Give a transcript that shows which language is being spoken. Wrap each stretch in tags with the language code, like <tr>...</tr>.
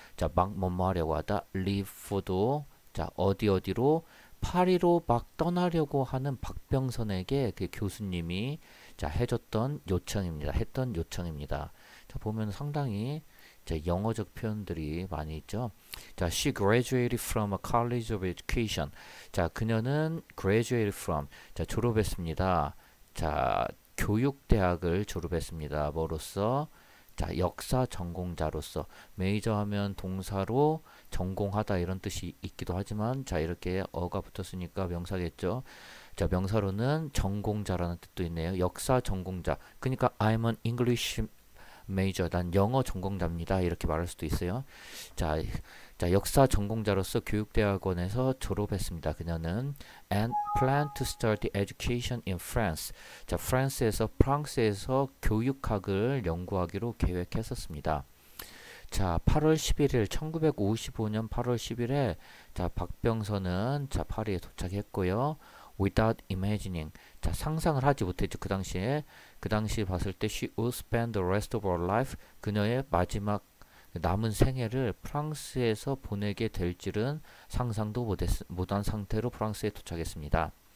<ko>자, 막 뭐뭐 하려고 하다, leave for도, 자, 어디 어디로, 파리로 막 떠나려고 하는 박병선에게 그 교수님이, 자, 해줬던 요청입니다. 했던 요청입니다. 자, 보면 상당히, 자, 영어적 표현들이 많이 있죠. 자,</ko> <en>she graduated from a college of education.</en> <ko>자, 그녀는 graduated from, 자, 졸업했습니다. 자, 교육대학을 졸업했습니다. 뭐로써? 자, 역사 전공자로서. major 하면 동사로 전공하다 이런 뜻이 있기도 하지만, 자, 이렇게 어가 붙었으니까 명사겠죠. 자, 명사로는 전공자라는 뜻도 있네요. 역사 전공자. 그러니까</ko> <en>I'm an English major,</en> <ko>난 영어 전공자입니다, 이렇게 말할 수도 있어요. 자, 자, 역사 전공자로서 교육대학원에서 졸업했습니다. 그녀는</ko> <en>and plan to study education in France.</en> <ko>자, 프랑스에서, 프랑스에서 교육학을 연구하기로 계획했었습니다. 자, 8월 11일, 1955년 8월 10일에, 자, 박병선은, 자, 파리에 도착했고요.</ko> <en>Without imagining,</en> <ko>자, 상상을 하지 못했죠. 그 당시에, 그 당시 봤을 때</ko> <en>she would spend the rest of her life,</en> <ko>그녀의 마지막 남은 생애를 프랑스에서 보내게 될지는 상상도 못한 상태로 프랑스에 도착했습니다.</ko>